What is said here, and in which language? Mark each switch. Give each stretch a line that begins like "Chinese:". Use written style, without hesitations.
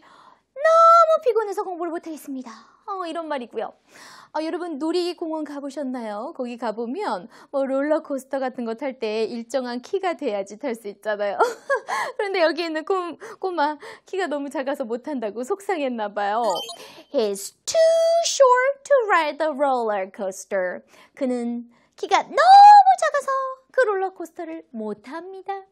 Korean: 너무 피곤해서 공부를 못하겠습니다. 이런 말이고요. 여러분 놀이공원 가보셨나요? 거기 가보면 뭐 롤러코스터 같은 거 탈 때 일정한 키가 돼야지 탈 수 있잖아요. 그런데 여기 있는 꼬마 키가 너무 작아서 못한다고 속상했나 봐요.
English: He's too short to ride the roller coaster.
Korean: 그는 키가 너무 작아서 그 롤러코스터를 못합니다.